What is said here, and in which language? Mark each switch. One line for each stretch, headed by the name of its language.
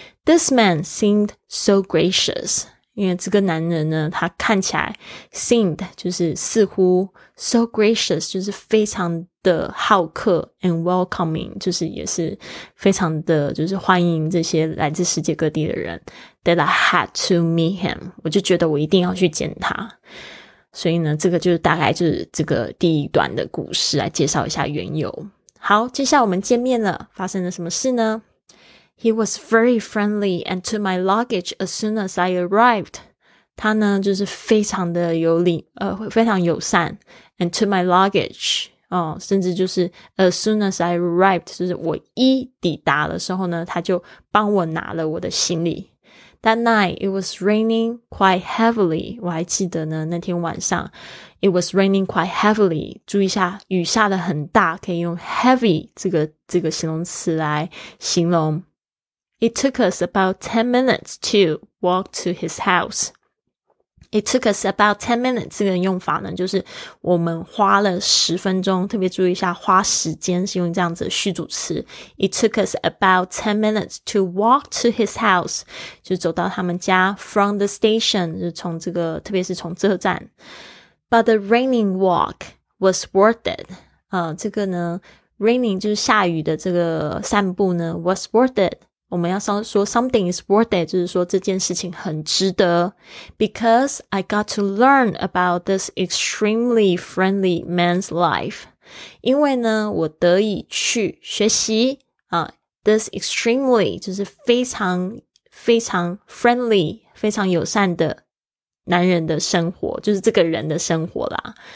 English: This man seemed so gracious，
Chinese: 因为这个男人呢他看起来
English: seemed
Chinese: 就是似乎，
English: so gracious
Chinese: 就是非常的好客
English: and welcoming，
Chinese: 就是也是非常的就是欢迎这些来自世界各地的人。
English: That I had to meet him，
Chinese: 我就觉得我一定要去见他。所以呢这个就是大概就是这个第一段的故事，来介绍一下缘由。好，接下来我们见面了，发生了什么事呢？
English: He was very friendly and took my luggage as soon as I arrived。
Chinese: 他呢就是非常的有礼非常友善，
English: and took my luggage，
Chinese: 甚至就是
English: as soon as I arrived，
Chinese: 就是我一抵达的时候呢，他就帮我拿了我的行李。
English: That night it was raining quite heavily，
Chinese: 我还记得呢那天晚上
English: it was raining quite heavily，
Chinese: 注意一下雨下得很大，可以用 heavy 这个形容词来形容。
English: It took us about 10 minutes to walk to his houseIt took us about 10 minutes，
Chinese: 这个用法呢就是我们花了十分钟，特别注意一下花时间是用这样子的序组词。
English: It took us about 10 minutes to walk to his house，
Chinese: 就走到他们家。
English: From the station，
Chinese: 就从这个特别是从这站。
English: But the raining walk was worth it，
Chinese: 这个呢 raining 就是下雨的这个散步呢
English: was worth it，
Chinese: 我们要说
English: something is worth it，
Chinese: 就是说这件事情很值得。
English: Because I got to learn about this extremely friendly man's life，
Chinese: 因为呢我得以去学习、
English: this extremely
Chinese: 就是非常非常
English: friendly
Chinese: 非常友善的男人的生活，就是这个人的生活啦。